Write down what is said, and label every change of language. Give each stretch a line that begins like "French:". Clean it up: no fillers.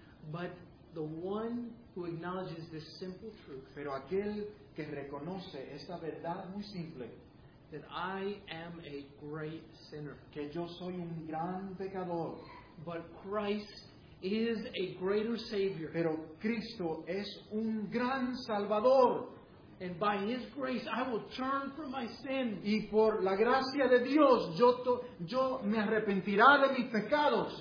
English: But the one who acknowledges this simple truth.
Spanish: Pero aquel que reconoce esta verdad muy simple.
English: That I am a great sinner.
Spanish: Que yo soy un gran pecador.
English: But Christ is a greater Savior.
Spanish: Pero Cristo es un gran Salvador.
English: And by His grace, I will turn from my sin.
Spanish: Y por la gracia de Dios, yo me arrepentirá de mis pecados.